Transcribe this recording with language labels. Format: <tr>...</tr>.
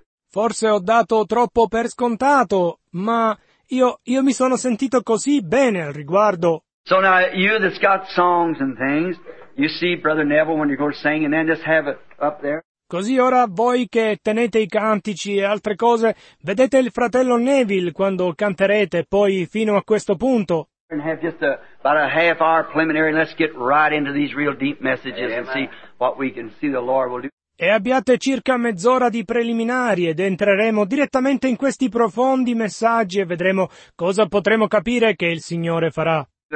<it>Forse ho dato troppo per scontato, ma io mi sono sentito così bene al riguardo.</it> <en>So now, you that's got songs and things, you see Brother Neville when you go singing, and then just have it up there.</en> <it>Così ora voi che tenete i cantici e altre cose, vedete il fratello Neville quando canterete, poi fino a questo punto.</it> <en>And have just about a half hour preliminary, and let's get right into these real deep messages. Amen. And see what we can see the Lord will do.</en> <it>E abbiate circa mezz'ora di preliminari ed entreremo direttamente in questi profondi messaggi e vedremo cosa potremo capire che il Signore farà.</it>